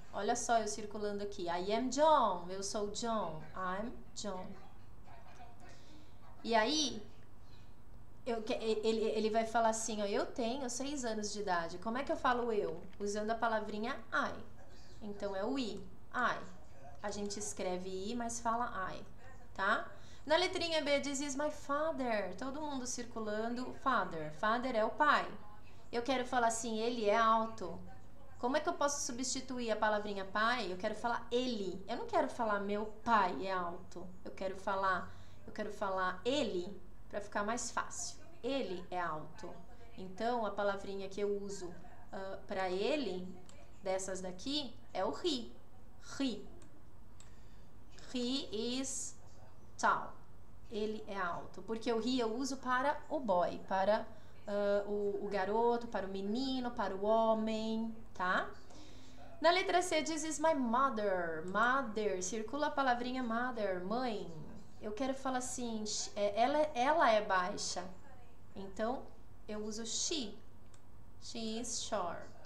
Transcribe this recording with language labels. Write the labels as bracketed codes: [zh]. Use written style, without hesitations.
[pt] Olha só eu circulando aqui. [en] I am John. [pt] Eu sou John. [en] I'm John. [pt] E aí, ele vai falar assim, ó, eu tenho 6 anos de idade. Como é que eu falo eu? Usando a palavrinha I. Então é o I. I. A gente escreve I, mas fala I. Tá? Na letrinha B diz, [en] is my father. [pt] Todo mundo circulando, father. Father é o pai. Eu quero falar assim, ele é alto. Como é que eu posso substituir a palavrinha pai? Eu quero falar ele. Eu não quero falar meu pai é alto. Eu quero falar ele, para ficar mais fácil. Ele é alto. Então, a palavrinha que eu uso para ele, dessas daqui, é o he. He. [en] He is tall. [pt] Ele é alto, porque o he eu uso para o boy, para o garoto, para o menino, para o homem, tá? Na letra C diz [en] is my mother. [pt] Mother, circula a palavrinha mother, mãe. Eu quero falar assim, ela é baixa. Então eu uso she. [en] She is short.